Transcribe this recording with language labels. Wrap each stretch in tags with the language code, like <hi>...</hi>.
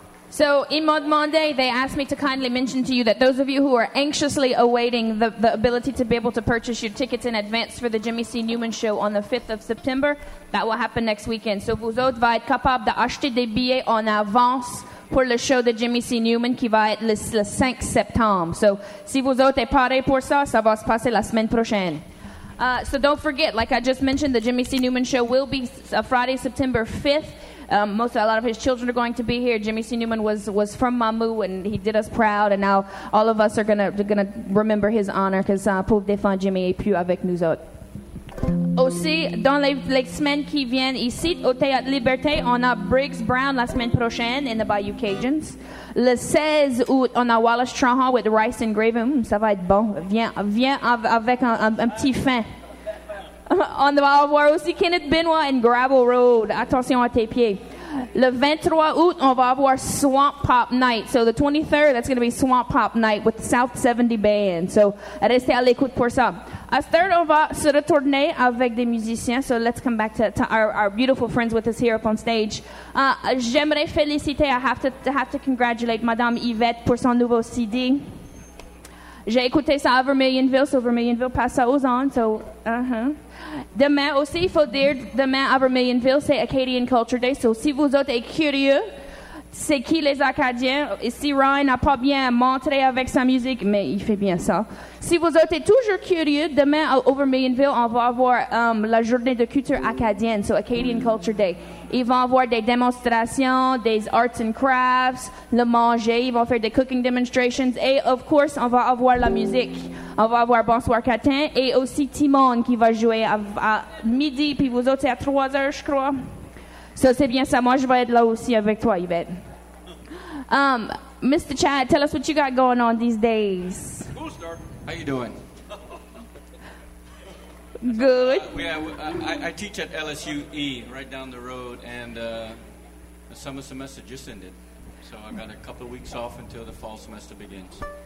<en>So in Mod Monday, they asked me to kindly mention to you that those of you who are anxiously awaiting the ability to be able to purchase your tickets in advance for the Jimmy C. Newman Show on the 5th of September, that will happen next weekend.</en> <fr>So vous autres va être capable d'acheter des billets en avance pour le show de Jimmy C. Newman qui va être le 5 septembre. So si vous autres êtes parés pour ça, ça va se passer la semaine prochaine.</fr> <en>So don't forget, like I just mentioned, the Jimmy C. Newman Show will be Friday, September 5th. A lot of his children are going to be here. Jimmy C. Newman was from Mamou, and he did us proud, and now all of us are gonna remember his honor because</en> <fr>pour défendre Jimmy et puis avec nous autres. Aussi, dans les semaines qui viennent ici au Théâtre Liberté, on a Briggs Brown la semaine prochaine in the Bayou Cajuns. Le 16 août, on a Wallace Trahan with Rice and Gravy. Ça va être bon. Viens avec un petit fin. On va avoir aussi Kenneth Benoit and Gravel Road. Attention à tes pieds. Le 23 août, on va avoir Swamp Pop Night.</fr> <en>So the 23rd, that's going to be Swamp Pop Night with South 70 Band.</en> <fr>So restez à l'écoute pour ça. À ce third, on va se retourner avec des musiciens.</fr> <en>So let's come back to our beautiful friends with us here up on stage.</en> <fr>J'aimerais féliciter,</fr> <en>I have to congratulate</en> <fr>Madame Yvette pour son nouveau CD. J'ai écouté ça à Vermilionville, so Vermilionville passe ça aux ans. So, Demain aussi, il faut dire, demain à Vermilionville, c'est Acadian Culture Day. So si vous êtes curieux, c'est qui les Acadiens? Si Ryan n'a pas bien montré avec sa musique, mais il fait bien ça. Si vous êtes toujours curieux, demain à Vermilionville, on va avoir la journée de culture acadienne, so Acadian Culture Day. Ils vont avoir des démonstrations, des</fr> <en>arts and crafts,</en> <fr>le manger, ils vont faire des</fr> <en>cooking demonstrations.</en> <fr>Et,</fr> <en>of course,</en> <fr>on va avoir la musique. On va avoir Bonsoir Catin et aussi Timon qui va jouer à midi, puis vous autres, c'est à 3 heures, je crois. So, c'est bien ça. Moi, je vais être là aussi avec toi, Yvette.</fr> <en>Mr. Chad, tell us what you got going on these days. Booster, how you doing? Good. I teach at LSUE right down the road, and the summer semester just ended. So I got a couple of weeks off until the fall semester begins.</en>